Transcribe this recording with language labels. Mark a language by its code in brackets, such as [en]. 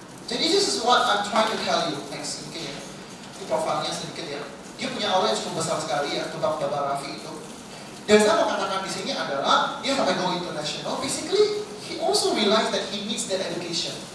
[en] Jadi this is what I'm trying to tell you next, [id] mungkin ya. Di profilnya sedikit ya. Dia punya aura yang cukup besar sekali ya, tentang Baba Raffi itu. Dan saya mau katakan di sini adalah, dia sampai [en] go international, basically, he also realize that he needs that education.